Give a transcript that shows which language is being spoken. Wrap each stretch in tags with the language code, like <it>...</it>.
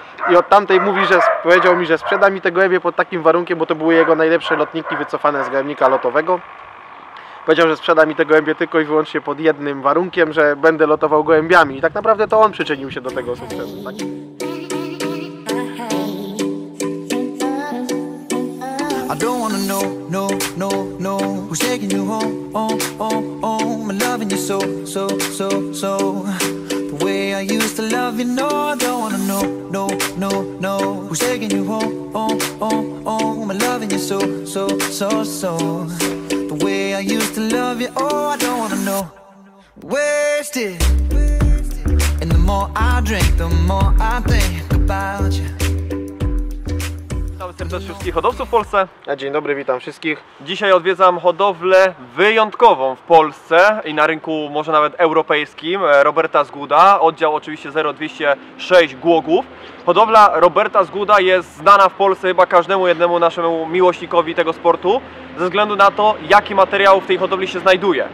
<pl>I od tamtej powiedział mi, że sprzeda mi te gołębie pod takim warunkiem, bo to były jego najlepsze lotniki wycofane z gołębnika lotowego. Powiedział, że sprzeda mi te gołębie tylko i wyłącznie pod jednym warunkiem, że będę lotował gołębiami. I tak naprawdę to on przyczynił się do tego sukcesu. Tak?</pl> <en>I don't wanna know, no, no, no. Who's taking you home, oh, oh, oh. I'm loving you so, so, so, so. The way I used to love you, no. I don't wanna know, no, no, no. Who's taking you home, oh, oh, oh. I'm loving you so, so, so, so. The way I used to love you, oh. I don't wanna know. Wasted. And the more I drink, the more I think about you.</en> <pl>Witam wszystkich hodowców w Polsce. Dzień dobry, witam wszystkich. Dzisiaj odwiedzam hodowlę wyjątkową w Polsce i na rynku może nawet europejskim, Roberta Zguda, oddział oczywiście 0206 Głogów. Hodowla Roberta Zguda jest znana w Polsce chyba każdemu jednemu naszemu miłośnikowi tego sportu ze względu na to, jaki materiał w tej hodowli się znajduje.</pl>